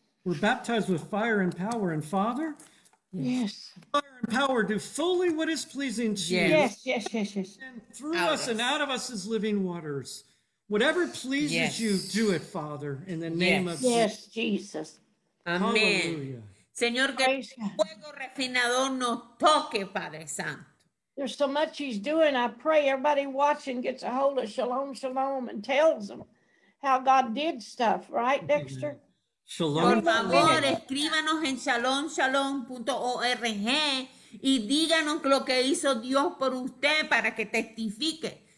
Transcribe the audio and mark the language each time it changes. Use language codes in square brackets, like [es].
[en] We're baptized with fire and power, and Father? Yes. Fire and power do fully what is pleasing to you. Yes. And through us and out of us is living waters. Whatever pleases you, do it, Father, in the name of Jesus. Yes, Jesus. Amen. [es] Señor, que el fuego refinador nos toque, Padre Santo. [en] There's so much he's doing. I pray everybody watching gets a hold of Shalom and tells them how God did stuff. Right, Dexter? Shalom. [es] Por favor, escríbanos en shalomshalom.org y díganos lo que hizo Dios por usted para que testifique.